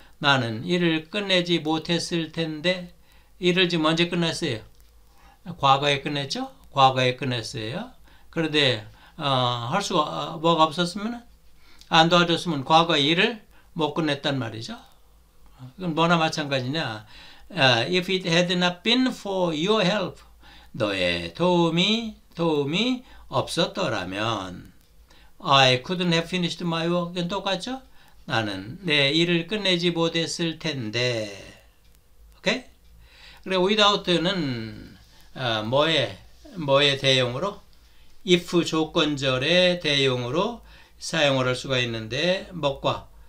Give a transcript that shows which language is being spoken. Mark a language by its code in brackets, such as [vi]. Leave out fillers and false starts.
[ko] 나는 일을 끝내지 못했을 텐데 일을 지금 언제 끝냈어요? 과거에 끝냈죠? 과거에 끝냈어요. 그런데 할 수가 뭐가 없었으면 안 도와줬으면 과거 일을 못 끝냈단 말이죠. 그건 뭐나 마찬가지냐. [en] If it had not been for your help, [ko] 너의 도움이 없었더라면 [en] I couldn't have finished my work. [ko] 이건 똑같죠? 나는 내 일을 끝내지 못했을 텐데. 오케이? 그래 without는 뭐의 대용으로? if 조건절의 대용으로 사용을 할 수가 있는데, 뭐과?